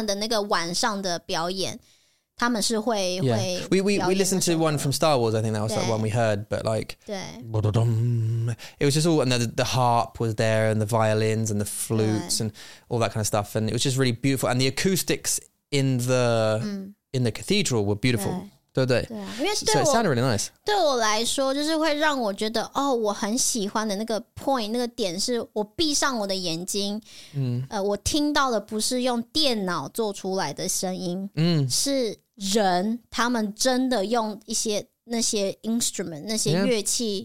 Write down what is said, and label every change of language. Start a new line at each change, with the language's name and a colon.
Chinese: 他们也有,我们没有听到,但是他们的那个晚上的表演,他们是会, yeah.
English: We listened to one from Star Wars, I think that was that one we heard, but like,
Chinese: 对,
English: it was just all, and the harp was there, and the violins, and the flutes, and all that kind of stuff, and it was just really beautiful, and the acoustics in the cathedral were beautiful.
Chinese: 对不对？对啊，因为对我
English: sounded really nice。
Chinese: 对我来说，就是会让我觉得哦，我很喜欢的那个 point 那个点是，我闭上我的眼睛，嗯，我听到的不是用电脑做出来的声音，嗯，是人他们真的用一些那些 instrument 那些乐器。